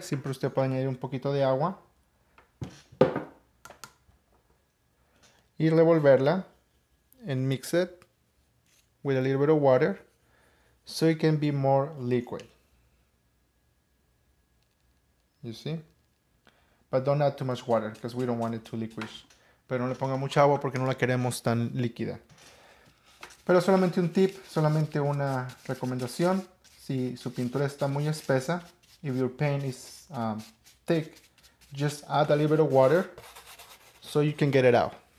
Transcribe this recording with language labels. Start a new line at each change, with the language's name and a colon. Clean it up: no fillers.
Spanish: Siempre usted puede añadir un poquito de agua. Y revolverla
English: and mix it with a little bit of water so it can be more liquid. You see? But don't add too much water because we don't want it too liquid.
Spanish: Pero no le ponga mucha agua porque no la queremos tan líquida. Pero solamente un tip, solamente una recomendación. Si su pintura está muy espesa,
English: if your paint is thick, just add a little bit of water so you can get it out.